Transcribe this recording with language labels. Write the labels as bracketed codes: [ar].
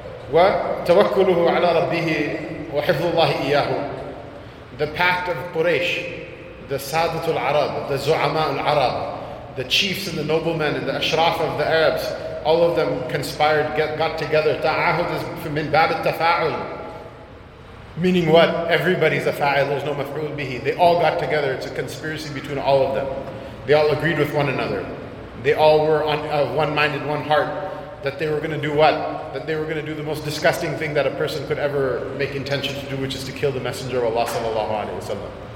[ar] وَتَوَكُّلُهُ عَلَى رَبِّهِ وَحِفْظُ اللَّهِ إِيَّاهُ. [en] The pact of Quraysh, the Sadatul Arab, the Zu'ama al-Arab, the chiefs and the noblemen and the Ashraf of the Arabs, all of them conspired, got together. [ar] تَعَاهُدُ [en] is [ar] مِنْ بَابِ التَّفَاعُلُ. [en] Meaning what? Everybody's a fa'il, there's no maf'ul bihi. They all got together, it's a conspiracy between all of them. They all agreed with one another. They all were of one mind and one heart. That they were going to do what? That they were going to do the most disgusting thing that a person could ever make intention to do, which is to kill the Messenger of Allah sallallahu alaihi wasallam.